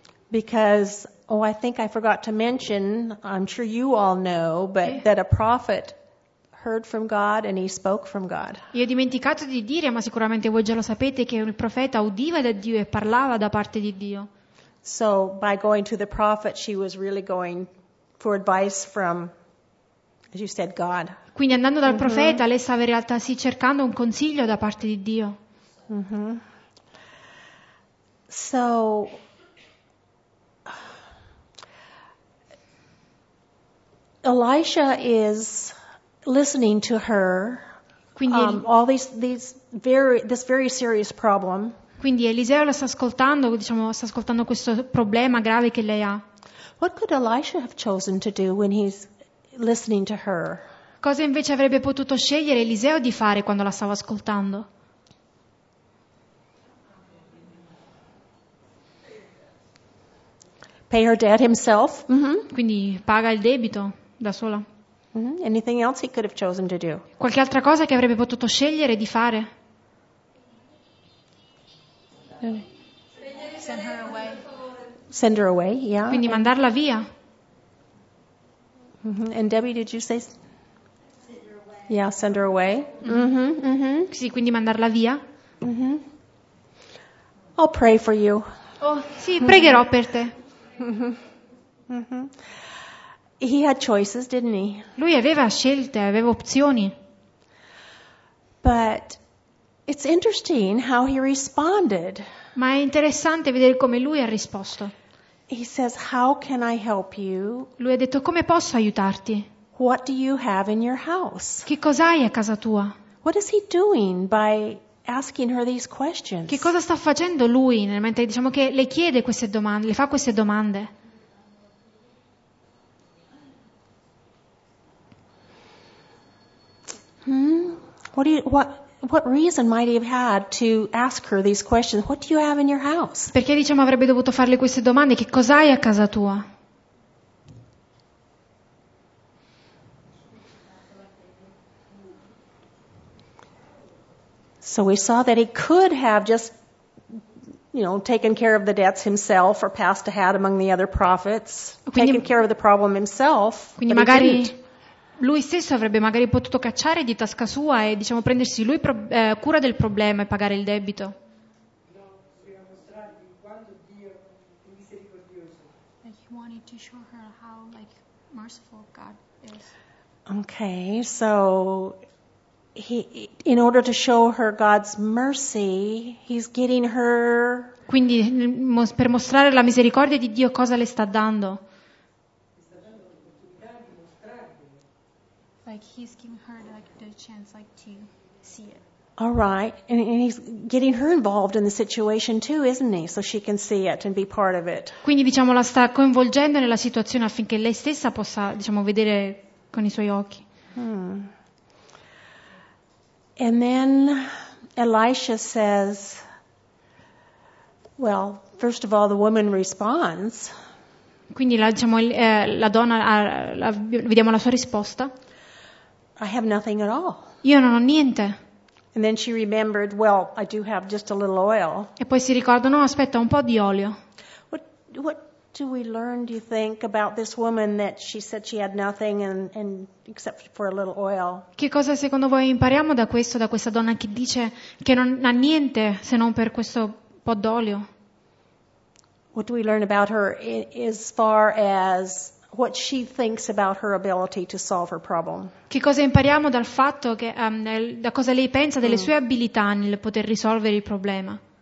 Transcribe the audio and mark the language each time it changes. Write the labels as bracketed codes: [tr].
[en] Because, I think I forgot to mention, I'm sure you all know, but that a prophet heard from God and he spoke from God. [it] Io ho dimenticato di dire, ma sicuramente voi già lo sapete, che un profeta udiva da Dio e parlava da parte di Dio. [en] So, by going to the prophet, she was really going for advice from, as you said, God. [it] Quindi andando dal profeta, lei stava in realtà sì cercando un consiglio da parte di Dio. Mm-hmm. [en] So, Elisha is listening to her. [it] Quindi [en] all this very serious problem. [it] Quindi Eliseo la sta ascoltando, diciamo, sta ascoltando questo problema grave che lei ha. [en] What could Elisha have chosen to do when he's listening to her? [it] Cosa invece avrebbe potuto scegliere Eliseo di fare quando la stava ascoltando? [en] Pay her debt himself. Mm-hmm. [it] Quindi paga il debito da sola. Mm-hmm. [en] Anything else he could have chosen to do? [it] Qualche altra cosa che avrebbe potuto scegliere di fare? [en] Send her away. Send her away, yeah. [it] Quindi mandarla via. [en] Mm-hmm. And Debbie, did you say? Send her away. Yeah, send her away. [it] Mm-hmm. Mm-hmm. Sì, quindi mandarla via. [en] Mm-hmm. I'll pray for you. [it] Oh, sì, pregherò per te. [en] Mm-hmm. He had choices, didn't he? [it] Lui aveva scelte, aveva opzioni. [en] But it's interesting how he responded. [it] Ma è interessante vedere come lui ha risposto. [en] He says, "How can I help you?" [it] Lui ha detto, "Come posso aiutarti?" [en] "What do you have in your house?" [it] Che cosa hai a casa tua? [en] What is he doing by asking her these questions? [it] Che cosa sta facendo lui nel mentre diciamo che le chiede queste domande, le fa queste domande? [en] What reason might he have had to ask her these questions? What do you have in your house? [it] Perché diciamo avrebbe dovuto farle queste domande? Che cos'hai a casa tua? [en] So we saw that he could have just, you know, taken care of the debts himself or passed ahead among the other prophets, [it] quindi, [en] taken care of the problem himself. [it] Quindi magari lui stesso avrebbe magari potuto cacciare di tasca sua e diciamo prendersi lui cura del problema e pagare il debito. No, voleva mostrargli quanto Dio è misericordioso. [en] Like he wanted to show her how like merciful God is. Okay, so he, in order to show her God's mercy, he's getting her. [it] Quindi per mostrare la misericordia di Dio cosa le sta dando? [en] Like he's giving her like the chance like to see it. All right. And he's getting her involved in the situation too, isn't he? So she can see it and be part of it. [it] Quindi diciamo la sta coinvolgendo nella situazione affinché lei stessa possa, diciamo, vedere con i suoi occhi. [en] And then Elisha says, well, first of all, the woman responds. [it] Quindi la, diciamo, la donna, vediamo la sua risposta. [en] I have nothing at all. [it] Io non ho niente. [en] And then she remembered, well, I do have just a little oil. [it] E poi si ricorda, no, aspetta, un po' di olio. [en] What do we learn, do you think, about this woman that she said she had nothing and except for a little oil? [it] Che cosa secondo voi impariamo da questo, da questa donna che dice che non ha niente se non per questo po' d'olio? [en] What do we learn about her as far as what she thinks about her ability to solve her problem? [it] Che cosa impariamo dal fatto che da cosa lei pensa delle sue abilità nel poter risolvere il problema?